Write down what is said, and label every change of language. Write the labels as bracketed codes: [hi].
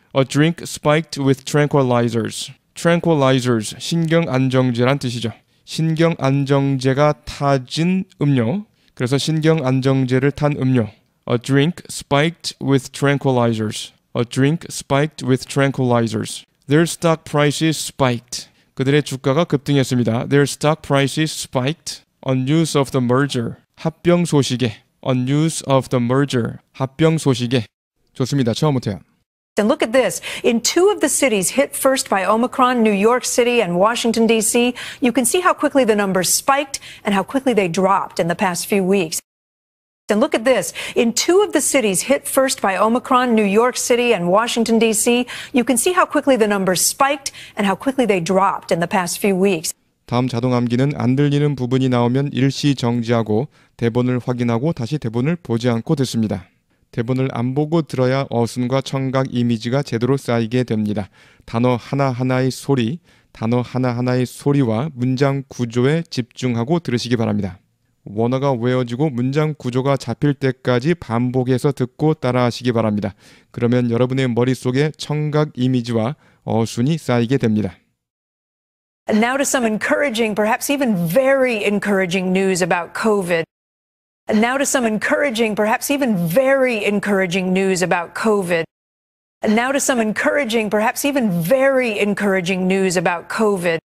[en] A drink spiked with tranquilizers. [ko] Tranquilizers. 신경안정제란 뜻이죠. 신경안정제가 타진 음료. 그래서 신경안정제를 탄 음료. [en] A drink spiked with tranquilizers. A drink spiked with tranquilizers. Their stock prices spiked. [ko] 그들의 주가가 급등했습니다. [en] Their stock prices spiked on news of the merger. [ko] 합병 소식에. [en] On news of the merger. [ko] 합병 소식에. 좋습니다. 처음부터요. [en] And look at this. In two of the cities hit first by Omicron, New York City and Washington, D.C., you can see how quickly the numbers spiked and how quickly they dropped in the past few weeks. And look at this. In two of the cities hit first by Omicron, New York City and Washington, D.C., you can see how quickly the numbers spiked and how quickly they dropped in the past few weeks. [ko] 다음 자동 암기는 안 들리는 부분이 나오면 일시 정지하고 대본을 확인하고 다시 대본을 보지 않고 듣습니다. 대본을 안 보고 들어야 어순과 청각 이미지가 제대로 쌓이게 됩니다. 단어 하나하나의 소리, 단어 하나하나의 소리와 문장 구조에 집중하고 들으시기 바랍니다. 원어가 외워지고 문장 구조가 잡힐 때까지 반복해서 듣고 따라하시기 바랍니다. 그러면 여러분의 머릿속에 청각 이미지와 어순이 쌓이게 됩니다. [en] And now to some encouraging, perhaps even very encouraging news about COVID. And now to some encouraging, perhaps even very encouraging news about COVID. And now to some encouraging, perhaps even very encouraging news about COVID.